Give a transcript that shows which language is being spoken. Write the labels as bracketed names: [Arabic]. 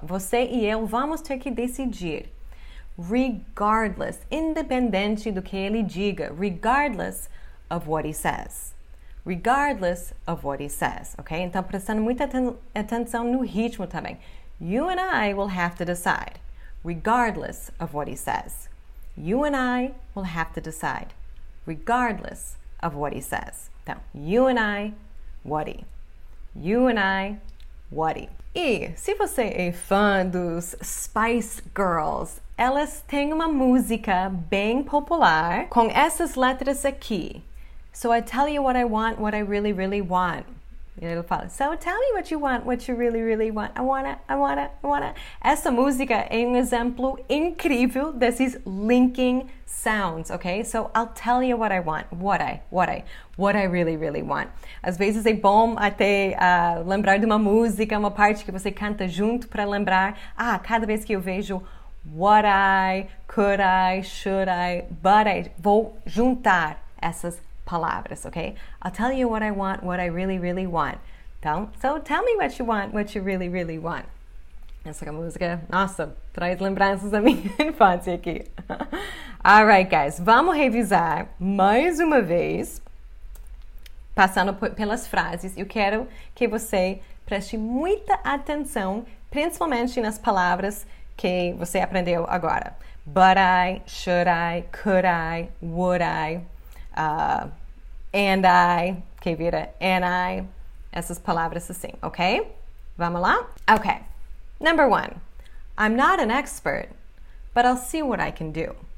[Portuguese] Você e eu vamos ter que decidir. [English] Regardless, [Portuguese] independente do que ele diga, [English] regardless of what he says, [Portuguese] ok? Então, prestando muita atenção no ritmo também. [English] You and I will have to decide, regardless of what he says. You and I will have to decide, regardless of what he says. [Portuguese] Então, [English] you and I, what he. You and I, what he. [Portuguese] E se você é fã dos Spice Girls, elas têm uma música bem popular com essas letras aqui. [English] So I tell you what I want, what I really, really want. [Portuguese] E ele fala, [English] so tell me what you really, really want. I wanna. [Portuguese] Essa música é exemplo incrível desses linking sounds, ok? [English] So I'll tell you what I want, what I really, really want. [Portuguese] Às vezes é bom até lembrar de uma música, uma parte que você canta junto para lembrar. Ah, cada vez que eu vejo [English] what I, could I, should I, but I, [Portuguese] vou juntar essas palavras, ok? [English] I'll tell you what I want, what I really, really want. [Portuguese] Então, [English] so tell me what you want, what you really, really want. [Portuguese] Essa música, nossa, traz lembranças da minha infância aqui. [English] All right, guys, [Portuguese] vamos revisar mais uma vez, passando pelas frases. Eu quero que você preste muita atenção, principalmente nas palavras que você aprendeu agora. [English] But I, should I, could I, would I, and I, [Portuguese] que vira and I, essas palavras assim, ok? Vamos lá? Ok. [English] Number one, I'm not an expert, but I'll see what I can do.